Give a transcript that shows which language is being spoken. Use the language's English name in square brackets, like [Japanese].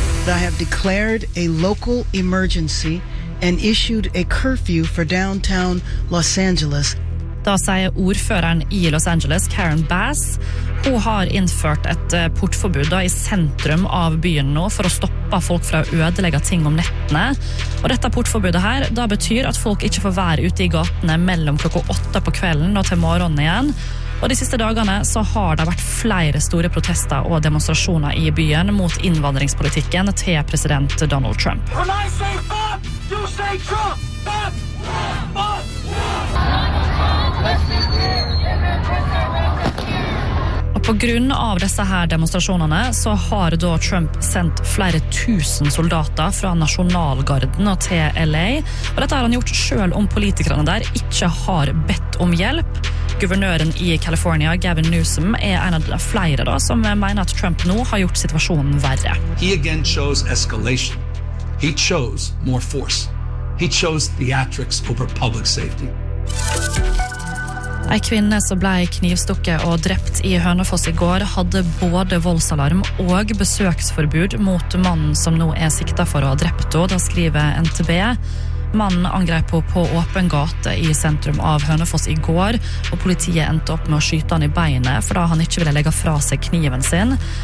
[English] I have declared a local emergency and issued a curfew for downtown Los Angeles. [Norwegian] Da sier ordføreren i Los Angeles, Karen Bass. Hun har innført et portforbud da, i sentrum av byen nå for å stoppe folk fra å ødelegge ting om nettene. Og dette portforbudet her, da betyr at folk ikke får være ute i gatene mellom klokka 8 på kvelden og til morgenen igjen. Og de siste dagene så har det vært flere store protester og demonstrasjoner i byen mot innvandringspolitikken til president Donald Trump. [English] When I say fuck, you say Trump! Fuck! Fuck! [Norwegian] Og på grunn av disse her demonstrasjonene så har da Trump sendt flere tusen soldater fra Nasjonalgarden og til LA. Og dette har han gjort selv om politikerne der ikke har bedt om hjelp. Guvernøren i California, Gavin Newsom, er en av flere da som mener at Trump nå har gjort situasjonen verre. [English] He again chose escalation. He chose more force. He chose theatrics over public safety. [Norwegian] En kvinne som ble knivstukket og drept i Hønefoss i går hadde både voldsalarm og besøksforbud mot mannen som nå er siktet for å ha drept henne, da skriver NTB. Mannen angrep henne på åpen gate i sentrum av Hønefoss i går, og politiet endte opp med å skyte han i beinet, for da han ikke ville legge fra seg kniven sin.